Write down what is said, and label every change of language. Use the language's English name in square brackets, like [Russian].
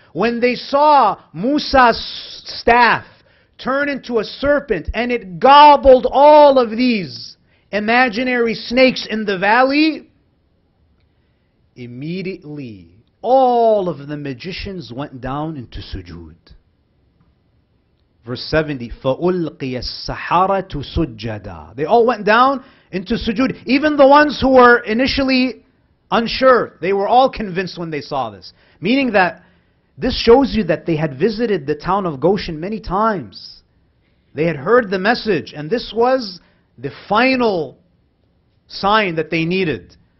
[English] When they saw Musa's staff turn into a serpent and it gobbled all of these imaginary snakes in the valley, immediately all of the magicians went down into sujood. Verse 70, [Arabic] فَأُلْقِيَ السَّحَارَةُ سُجَّدًا. [English] They all went down into sujood. Even the ones who were initially unsure, they were all convinced when they saw this. Meaning that this shows you that they had visited the town of Goshen many times. They had heard the message, and this was the final sign that they needed.